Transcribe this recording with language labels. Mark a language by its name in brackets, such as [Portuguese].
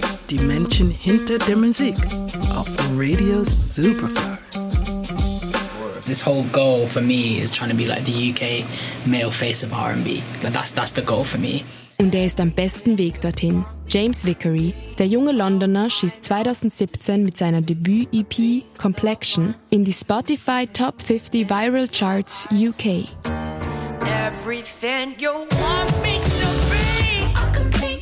[German] Die Menschen hinter der Musik auf Radio Superfly. [English] This whole goal for me is trying to be like the UK male face of R&B. That's the goal for me. [German] Und er ist am besten Weg dorthin. James Vickery, der junge Londoner, schießt 2017 mit seiner Debüt-EP Complexion in die Spotify Top 50 Viral Charts UK. [English] Everything you want me to be.